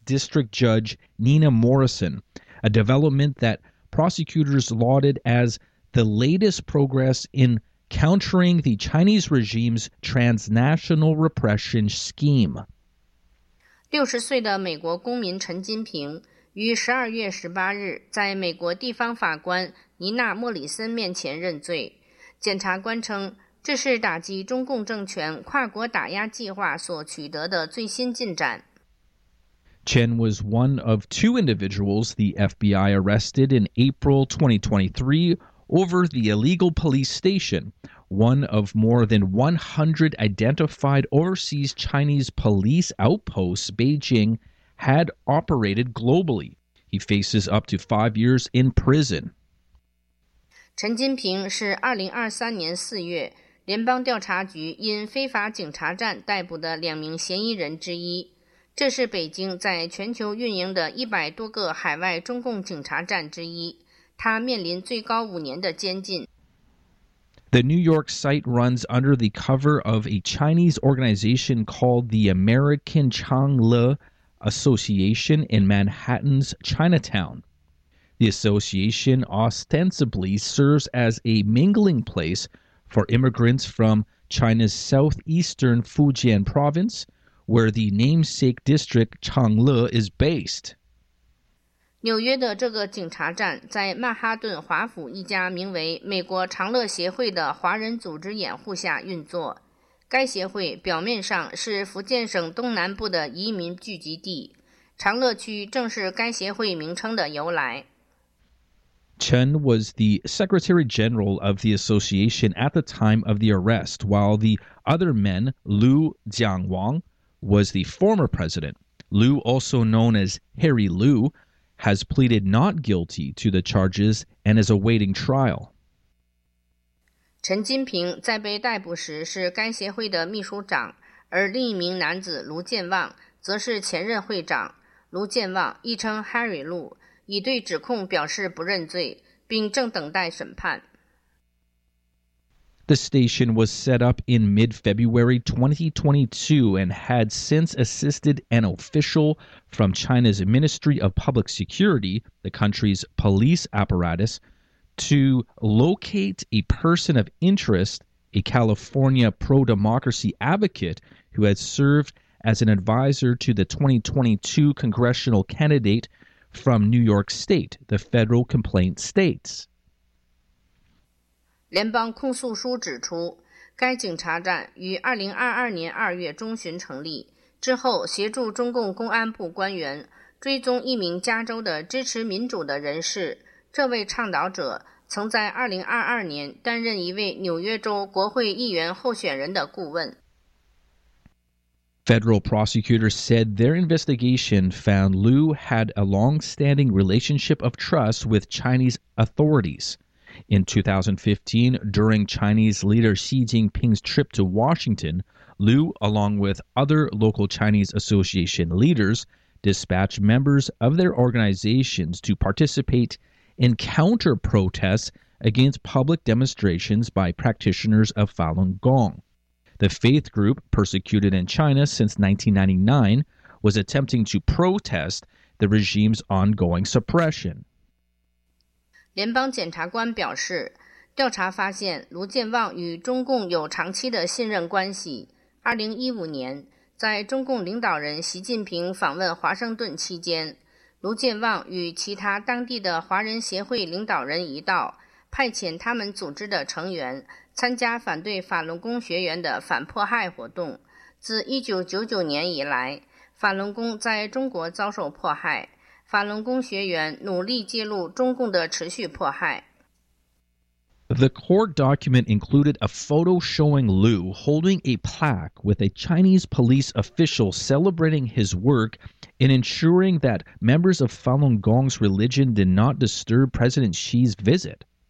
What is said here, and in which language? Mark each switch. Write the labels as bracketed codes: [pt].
[en] District Judge Nina Morrison, a development that prosecutors lauded as the latest progress in countering the Chinese regime's transnational repression scheme. [zh] 60-岁的美国公民陈金平于12月18日在美国地方法官尼娜·莫里森面前认罪。检察官称，这是打击中共政权跨国打压计划所取得的最新进展。 [en] Chen was one of two individuals the FBI arrested in April 2023 over the illegal police station, one of more than 100 identified overseas Chinese police outposts Beijing had operated globally. He faces up to 5 years in prison. [zh] 陈金平是2023年4月联邦调查局因非法警察站逮捕的两名嫌疑人之一。这是北京在全球运营的100多个海外中共警察站之一。他面临最高五年的监禁。 [en] The New York site runs under the cover of a Chinese organization called the American Changle Association in Manhattan's Chinatown. The association ostensibly serves as a mingling place for immigrants from China's southeastern Fujian province, where the namesake district Changle is based. [zh] 纽约的这个警察站在曼哈顿华府一家名为美国长乐协会的华人组织掩护下运作。该协会表面上是福建省东南部的移民聚集地，长乐区正是该协会名称的由来。 [en] Chen was the Secretary General of the Association at the time of the arrest, while the other man, Liu Jiangwang, was the former president. Liu, also known as Harry Liu, has pleaded not guilty to the charges and is awaiting trial. [zh] 陈金平在被逮捕时是该协会的秘书长，而另一名男子卢建旺则是前任会长。卢建旺亦称 Harry 卢，已对指控表示不认罪，并正等待审判。 [en] The station was set up in mid-February 2022 and had since assisted an official from China's Ministry of Public Security, the country's police apparatus, to locate a person of interest, a California pro-democracy advocate who had served as an advisor to the 2022 congressional candidate from New York State, the federal complaint states. [zh] 联邦控诉书指出，该警察站于2022年2月中旬成立，之后协助中共公安部官员追踪一名加州的支持民主的人士。这位倡导者曾在2022年担任一位纽约州国会议员候选人的顾问。 [en] Federal prosecutors said their investigation found Liu had a long-standing relationship of trust with Chinese authorities. In 2015, during Chinese leader Xi Jinping's trip to Washington, Liu, along with other local Chinese association leaders, dispatched members of their organizations to participate in counter-protests against public demonstrations by practitioners of Falun Gong. The faith group, persecuted in China since 1999, was attempting to protest the regime's ongoing suppression. [zh] 联邦检察官表示，调查发现卢建旺与中共有长期的信任关系。 2015年，在中共领导人习近平访问华盛顿期间，卢建旺与其他当地的华人协会领导人一道，派遣他们组织的成员参加反对法轮功学员的反迫害活动。自1999年以来，法轮功在中国遭受迫害，法轮功学员努力揭露中共的持续迫害。 [en] The court document included a photo showing Liu holding a plaque with a Chinese police official celebrating his work in ensuring that members of Falun Gong's religion did not disturb President Xi's visit.